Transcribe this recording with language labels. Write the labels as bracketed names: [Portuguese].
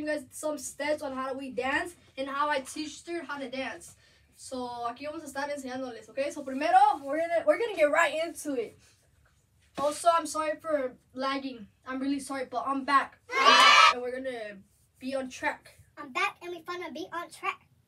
[English] Some steps on how we dance and how I teach her how to dance. [Spanish] So aquí vamos a estar enseñándoles, okay? [English] So primero we're gonna get right into it. Also, I'm sorry for lagging. I'm really sorry, but I'm back. And we're gonna be on track. I'm back and we're gonna be on track.